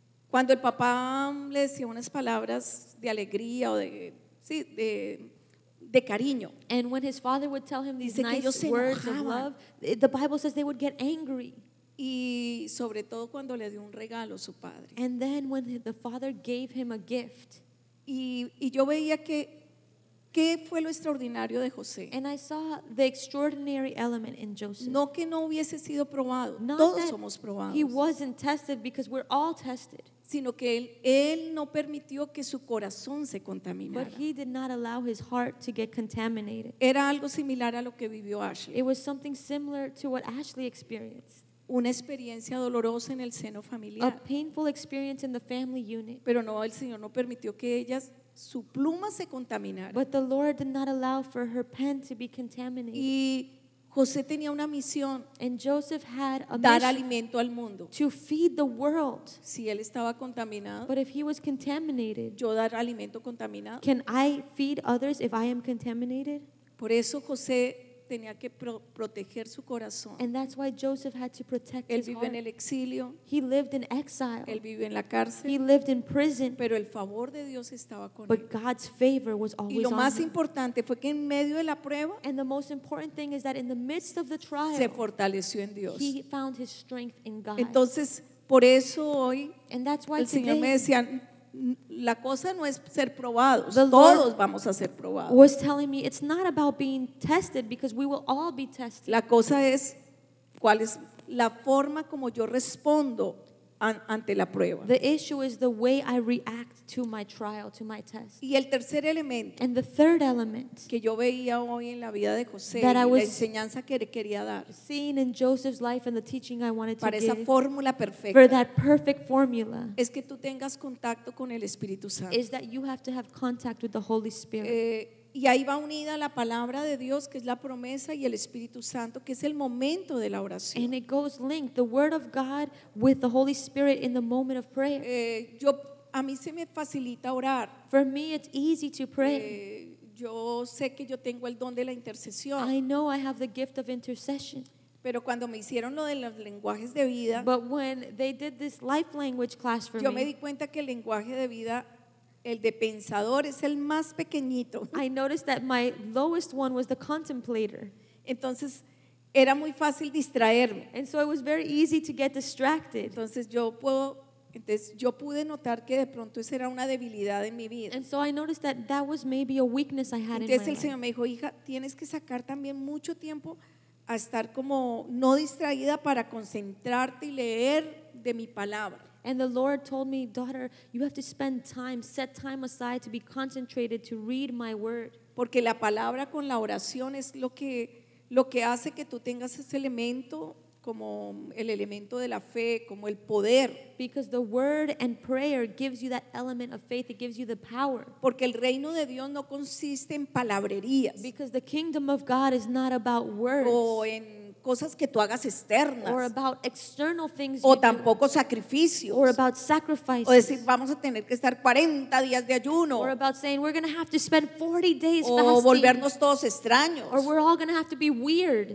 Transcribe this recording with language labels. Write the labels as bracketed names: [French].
[Spanish] Cuando el papá le decía unas palabras de alegría o de cariño. [English] And when his father would tell him these nice words of love, the Bible says they would get angry. [Spanish] Y sobre todo cuando le dio un regalo a su padre. [English] And then when the father gave him a gift. [Spanish] Y yo veía que qué fue lo extraordinario de José. [English] And I saw the extraordinary element in Joseph. [Spanish] No que no hubiese sido probado. Todos somos probados. [English] He wasn't tested because we're all tested. [Spanish] sino que él no permitió que su corazón se contaminara. [English] But he did not allow his heart to get contaminated. [Spanish] Era algo similar a lo que vivió Ashley. [English] It was something similar to what Ashley experienced. [Spanish] Una experiencia dolorosa en el seno familiar. [English] A painful experience in the family unit. [Spanish] Pero no, el Señor no permitió que ellas su pluma se contaminara. [English] But the Lord did not allow for her pen to be contaminated. [Spanish] Y José tenía una misión. [English] And Joseph had a [Spanish] dar alimento al mundo. [English] To feed the world. [Spanish] Si él estaba contaminado. [English] But if he was contaminated. [Spanish] Yo dar alimento contaminado. [English] Can I feed others if I am contaminated? [Spanish] Por eso José tenía que proteger su corazón. [English] And that's why Joseph had to protect his heart. [Spanish] Él vive en el exilio. [English] He lived in exile. [Spanish] Él vive en la cárcel. [English] He lived in prison. [Spanish] Pero el favor de Dios estaba con él. [English] But God's favor was always on him. [Spanish] Y lo más importante fue que en medio de la prueba, [English] and the most important thing is that in the midst of the trial, [Spanish] se fortaleció en Dios. [English] He found his strength in God. [Spanish] Entonces, por eso hoy, [English] and that's why [Spanish] el Señor [English] today, [Spanish] me decía, la cosa no es ser probados. Todos vamos a ser probados. [English] Was telling me it's not about being tested because we will all be tested. [Spanish] La cosa es cuál es la forma como yo respondo ante la prueba. [English] The issue is the way I react to my trial, to my test. [Spanish] Y el tercer elemento, [English] and the third element, [Spanish] que yo veía hoy en la vida de José, [English] that I was [Spanish] la enseñanza que quería dar, [English] seeing in Joseph's life and the teaching I wanted to [Spanish] para [English] give, [Spanish] esa fórmula perfecta, [English] for that perfect formula, [Spanish] es que tú tengas contacto con el Espíritu Santo, [English] is that you have to have contact with the Holy Spirit. [Spanish] Y ahí va unida la palabra de Dios, que es la promesa, y el Espíritu Santo, que es el momento de la oración. [English] And it goes linked, the word of God with the Holy Spirit in the moment of prayer. [Spanish] A mí se me facilita orar. [English] For me, it's easy to pray. [Spanish] Yo sé que yo tengo el don de la intercesión. [English] I know I have the gift of intercession. [Spanish] Pero cuando me hicieron lo de los lenguajes de vida, [English] but when they did this life language class for [Spanish] yo me di cuenta que el lenguaje de vida, el de pensador es el más pequeñito. [English] I noticed that my lowest one was the contemplator. [Spanish] Entonces, era muy fácil distraerme. [English] And so it was very easy to get distracted. [Spanish] Entonces yo pude notar que de pronto esa era una debilidad en mi vida. [English] And so I noticed that that was maybe a weakness I had. [Spanish] Entonces el Señor Me dijo, hija, tienes que sacar también mucho tiempo a estar como no distraída para concentrarte y leer de mi palabra. [English] And the Lord told me, daughter, you have to spend time, set time aside to be concentrated to read my word. [Spanish] Porque la palabra con la oración es lo que hace que tú tengas ese elemento, como el elemento de la fe, como el poder. [English] Because the word and prayer gives you that element of faith, it gives you the power. [Spanish] Porque el reino de Dios no consiste en palabrerías. [English] Because the kingdom of God is not about words. [Spanish] O en cosas que tú hagas externas, [English] or about external things, [Spanish] o tampoco sacrificios, [English] or about sacrifices, [Spanish] o decir vamos a tener que estar 40 días de ayuno, [English] or about saying we're going to have to spend 40 days fasting, [Spanish] o volvernos todos extraños, [English] or we're all going to have to be weird.